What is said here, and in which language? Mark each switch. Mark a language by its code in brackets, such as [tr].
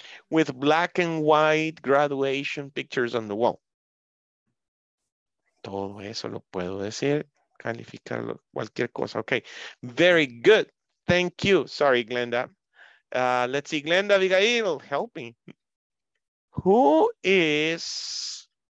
[en] With black and white graduation pictures on the wall. [es] Todo eso lo puedo decir, calificarlo, cualquier cosa. [en] Okay, very good. Thank you. Sorry, Glenda. Let's see, Glenda Abigail, help me. Who is